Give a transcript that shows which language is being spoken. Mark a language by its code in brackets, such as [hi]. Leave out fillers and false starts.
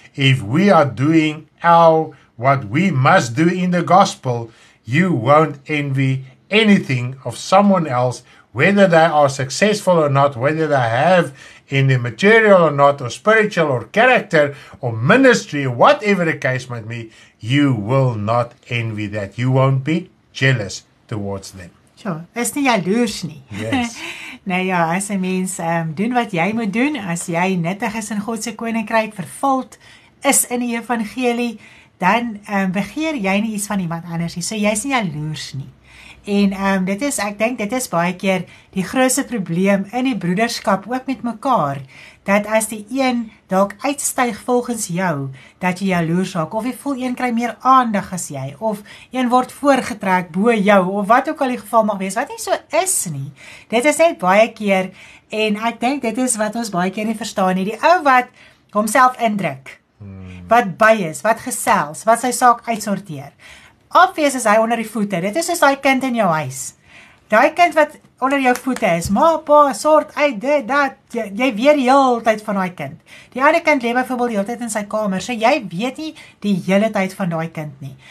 [en] If we are doing what we must do in the gospel, you won't envy anything of someone else, whether they are successful or not, whether they have in the material or not, or spiritual or character or ministry, whatever the case might be, you will not envy that. You won't be jealous towards them. [af] Sure, is nie jaloers nie. [en] Yes. [af] Nou ja, as 'n mens doen wat jy moet doen, as jy nuttig is in God se koninkryk, vervuld is in die evangelie, dan begeer jy nie iets van iemand anders nie. So jy's nie jaloers nie. En ek dink dit is baie keer die grootste probleem in die broederskap ook met mekaar, dat as die een dalk uitstyg volgens jou, dat jy jaloers raak, of jy voel een kry meer aandag as jy, of een word voorgetrek bo jou, of wat ook al die geval mag wees, wat nie so is nie. Dit is net baie keer, en ek dink dit is wat ons baie keer nie verstaan nie, die ou wat homself indruk, wat by is, wat gesels, wat sy saak uitsorteer. Obvious is hy onder die voete. Dit is soos daai kind in jou huis. Daai kind wat onder jou voete is. Ma, pa, sort uit dit, dat. Jy weet die hele tyd van daai kind. Die ander kind lê byvoorbeeld die hele tyd in sy kamer. So jy weet nie die hele tyd van daai kind nie.